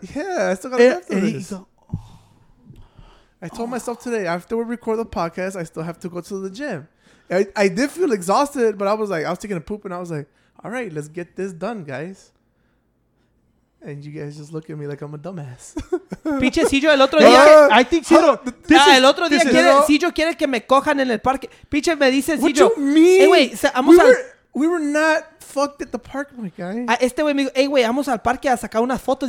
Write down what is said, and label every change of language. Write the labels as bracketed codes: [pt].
[en] Yeah, I still got to go after this. I told myself today, after we record the podcast, I still have to go to the gym. I did feel exhausted, but I was like, I was taking a poop and I was like, all right, let's get this done, guys. And you guys just look at me like I'm a dumbass. [es] Pinche Cidro, el otro día. [en] I think Cidro. [es] El otro día, quiere, Cidro quiere que me cojan en el parque. Pinche me dice Cidro. [en] What do you mean? Hey, wait, [es] vamos [en] we were not fucked at the park, my guy. [es] Este güey me dijo, hey, güey, vamos al parque a sacar unas fotos.